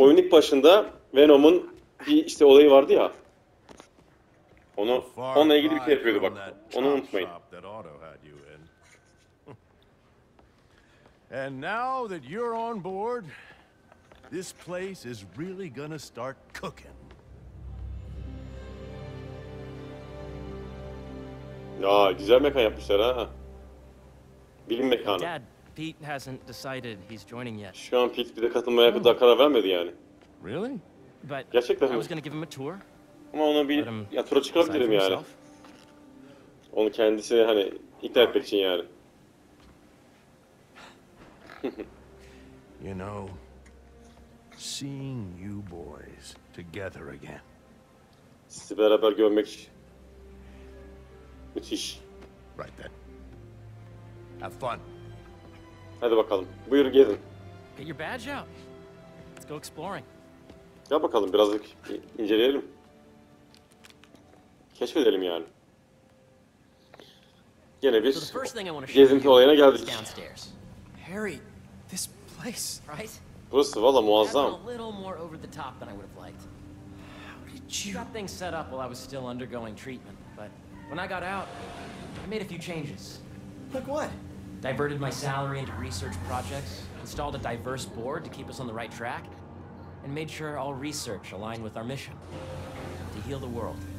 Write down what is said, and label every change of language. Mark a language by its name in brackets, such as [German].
[Turkish] Oyun ilk başında Venom'un bir işte olayı vardı ya. Onunla ilgili bir şey yapıyordu bak. Onu unutmayın. [English] And now that you're on board, this place is really gonna start cooking. [Turkish] Ya, güzel mekan yapmışlar ha. Bilim mekanı. [English] Dad, Pete hasn't decided he's joining yet. [Turkish] Şu an Pete bir de katılmaya bir daha karar vermedi yani. [English] Really? But [Turkish] gerçekten [English] I was gonna give him a tour. [Turkish] Ama ona bir ya tura çıkabilirim yani. Onu kendisi hani ikna etmek için yani. [English] You know, seeing you boys together again. [Turkish] Sizi beraber görmek müthiş. [English] Right then. Have fun. [Turkish] Hadi bakalım. Buyur gezin. [English] Get your badge out. Let's go exploring. [Turkish] Gel bakalım birazcık inceleyelim. Keşfedelim yani. Yine bir gezinti olayına geldik. [English] Harry. This place, right? [Turkish] Burası valla muazzam. [English] A little more over the top than I would have liked. How did you? Got things set up while I was still undergoing treatment, but when I got out, I made a few changes. Like what? Diverted my salary into research projects, installed a diverse board to keep us on the right track, and made sure all research aligned with our mission to heal the world.